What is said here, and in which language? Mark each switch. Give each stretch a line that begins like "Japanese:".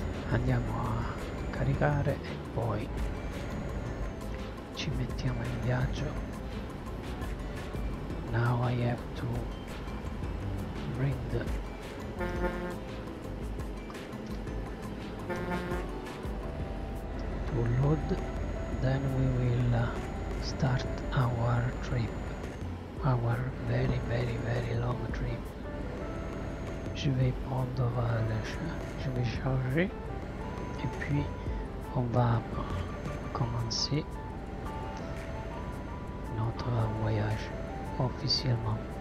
Italian: andiamo a caricare e poi ci mettiamo in viaggio.
English: Now I have to bring the to load, then we will start our trip, our very very very long trip.
French: Je vais prendre le chat, je vais charger et puis on va commencer notre voyage officiellement.